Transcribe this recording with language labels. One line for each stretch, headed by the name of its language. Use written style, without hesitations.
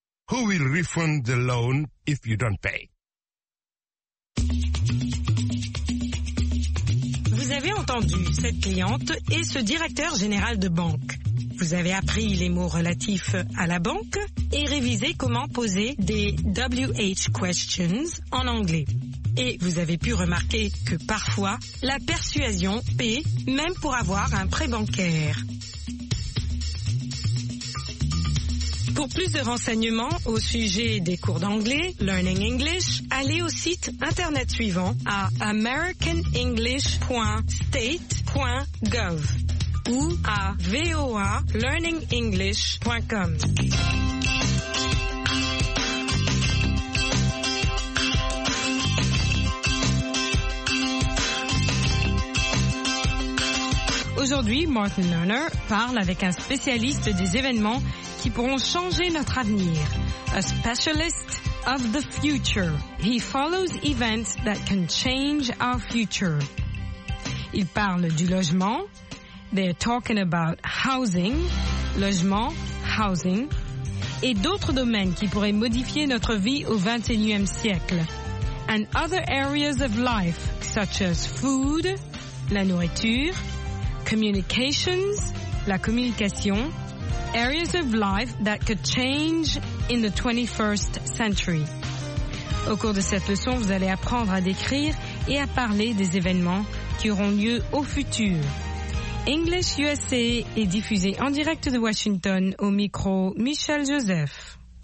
English: Who will refund the loan if you don't pay?
French: Vous avez entendu cette cliente et ce directeur général de banque. Vous avez appris les mots relatifs à la banque et révisé comment poser des WH questions en anglais. Et vous avez pu remarquer que parfois, la persuasion paie même pour avoir un prêt bancaire. Pour plus de renseignements au sujet des cours d'anglais, Learning English, allez au site internet suivant à americanenglish.state.gov ou à voalearningenglish.com. Aujourd'hui, Martin Lerner parle avec un spécialiste des événements qui pourront changer notre avenir.
English: A specialist of the future. He follows events that can change our future.
French: Il parle du logement.
English: They're talking about housing.
French: Logement, housing. Et d'autres domaines qui pourraient modifier notre vie au 21e siècle.
English: And other areas of life, such as food, la nourriture, communications, la communication, areas of life that could change in the 21st century.
French: Au cours de cette leçon, vous allez apprendre à décrire et à parler des événements qui auront lieu au futur. English USA est diffusé en direct de Washington au micro Michel Joseph.